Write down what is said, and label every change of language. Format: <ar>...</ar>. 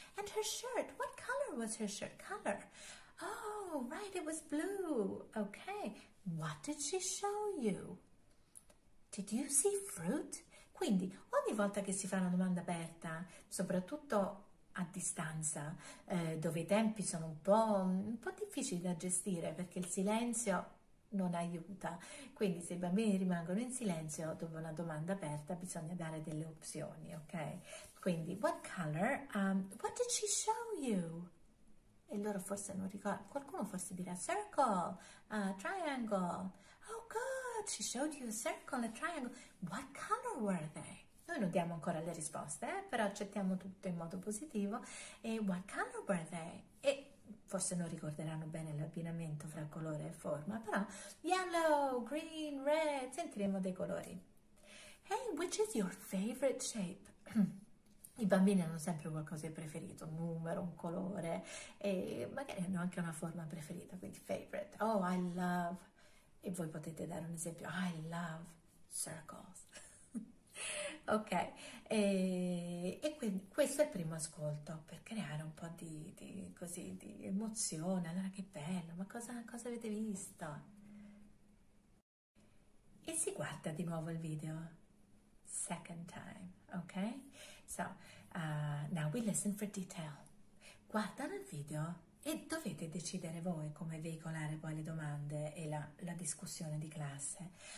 <en>And her shirt, what color was her shirt? Color. Oh, right, it was blue. Okay, what did she show you? Did you see fruit?</en> <it>Quindi, ogni volta che si fa una domanda aperta, soprattutto a distanza, dove i tempi sono un po' difficili da gestire, perché il silenzio non aiuta. Quindi se i bambini rimangono in silenzio dopo una domanda aperta, bisogna dare delle opzioni, ok?</it> <en>Quindi, what color? What did she show you?</en> <it>E loro forse non ricordano. Qualcuno forse dirà</it> <en>circle, triangle. Oh good, she showed you a circle, a triangle. What color were they?</en> <it>Noi non diamo ancora le risposte, però accettiamo tutto in modo positivo. E</it> <en>what color were they?</en> <it>E forse non ricorderanno bene l'abbinamento fra colore e forma, però</it> <en>yellow, green, red,</en> <it>sentiremo dei colori.</it> <en>Hey, which is your favorite shape?</en> <it>I bambini hanno sempre qualcosa di preferito, un numero, un colore, e magari hanno anche una forma preferita, quindi favorite.</it> <en>Oh, I love,</en> <it>e voi potete dare un esempio,</it> <en>I love circles.</en> <it>Ok, e quindi questo è il primo ascolto per creare un po' di emozione. Allora, che bello, ma cosa avete visto? E si guarda di nuovo il video,</it> <en>second time,</en> <it>ok?</it> <en>So, now we listen for detail.</en> <it>Guardano il video e dovete decidere voi come veicolare poi le domande e la discussione di classe.</it>